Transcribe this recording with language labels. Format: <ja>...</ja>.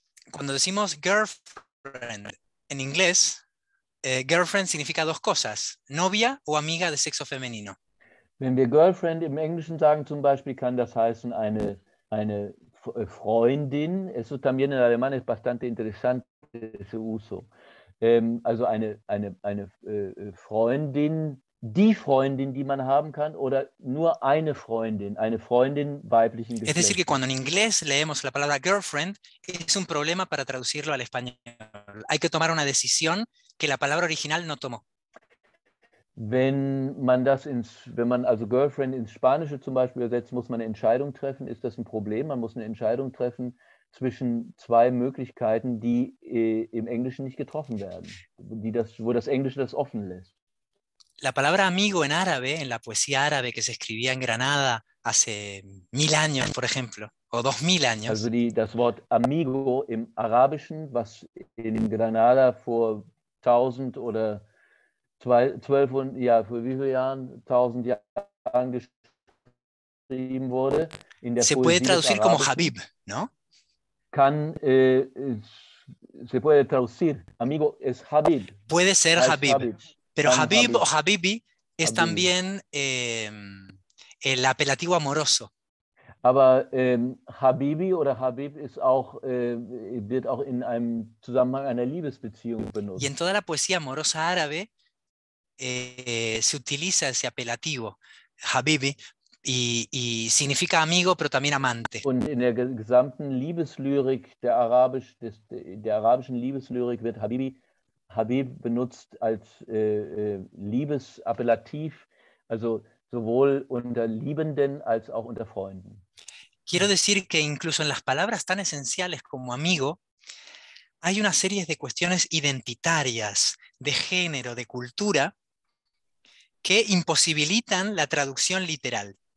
<es>Cuando decimos girlfriend en inglés, girlfriend significa dos cosas, novia o amiga de sexo femenino.</es> <de>Wenn wir girlfriend im Englischen sagen zum Beispiel, kann das heißen eine Freundin.</de> <es>Eso también en alemán es bastante interesante ese uso.</es> <de>Also eine Freundin, die Freundin, die man haben kann, oder nur eine Freundin weiblichen Geschlechts.</de> <es>Es decir, que cuando en inglés leemos la palabra girlfriend, es un problema para traducirlo al español. Hay que tomar una decisión que la palabra original no tomó.</es> <de>Wenn man also girlfriend ins Spanische zum Beispiel übersetzt, muss man eine Entscheidung treffen. Ist das ein Problem? Man muss eine Entscheidung treffen zwischen zwei Möglichkeiten, die im Englischen nicht getroffen werden, wo das Englische das offen lässt.</de> <es>La palabra amigo en árabe, en la poesía árabe que se escribía en Granada hace 1000 años, por ejemplo, o 2000 años.</es> <de>Also das Wort amigo im Arabischen, was in Granada vor 1000 oder 1200, ja, vor wie vielen Jahren, 1000 Jahren geschrieben wurde, in der</de> <es>se</es> <de>Poesie</de> <es>puede traducir como Habib, ¿no?</es> <de>Kann,</de> <es>se puede traducir, amigo es Habib. Puede ser Habib. Pero Habib o Habibi es también el apelativo amoroso.</es> <de>Aber Habibi oder Habib ist auch wird auch in einem Zusammenhang einer Liebesbeziehung benutzt.</de> <es>Y en toda la poesía amorosa árabe se utiliza ese apelativo Habibi y significa amigo, pero también amante.</es> <de>Und in der gesamten Liebeslyrik der arabischen Liebeslyrik wird Habib benutzt als Liebesappellativ, also sowohl unter Liebenden als auch unter Freunden.</de> <es>Quiero decir que incluso en las palabras tan esenciales como amigo, hay una serie de cuestiones identitarias, de género, de cultura, que imposibilitan la traducción literal.</es>